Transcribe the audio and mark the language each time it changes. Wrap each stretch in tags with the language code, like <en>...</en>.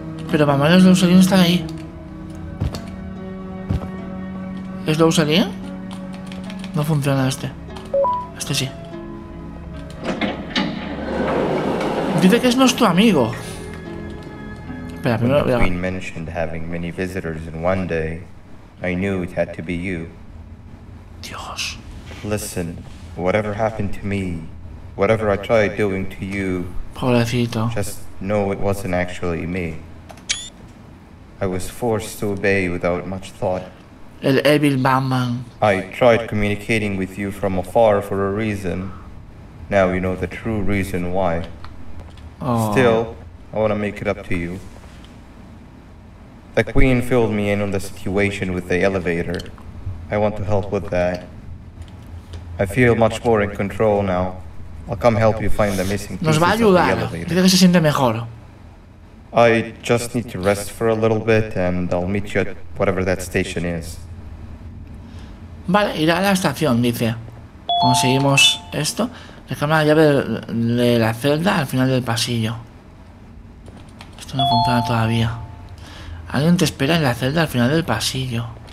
<es>Pero mamá y Slow Selin están ahí. ¿Slow Selin? No funciona este. Este sí. Dice que es nuestro amigo. Espera, primero voy a...</es> <en>Queen mentioned having many visitors in one day. I knew it had to be you.</en> <es>Dios.</es> <en>Listen, whatever happened to me, whatever I tried doing to you,</en> <es>pobrecito.</es> <en>Just know it wasn't actually me. I was forced to obey without much thought.</en> <es>El evil Batman.</es> <en>I tried communicating with you from afar for a reason. Now you know the true reason why. Oh. Still, I want to make it up to you. The Queen filled me in on the situation with the elevator. I want to help with that. I feel much more in control now. I'll come help you find the missing pieces.</en> <es>Nos va a ayudar. Dice que se siente mejor.</es> <en>I just need to rest for a little bit and I'll meet you at whatever that station is.</en> <es>Vale, irá a la estación, dice. Conseguimos esto. Le cambia la llave de la celda al final del pasillo. Esto no funciona todavía. Alguien te espera en la celda al final del pasillo.</es>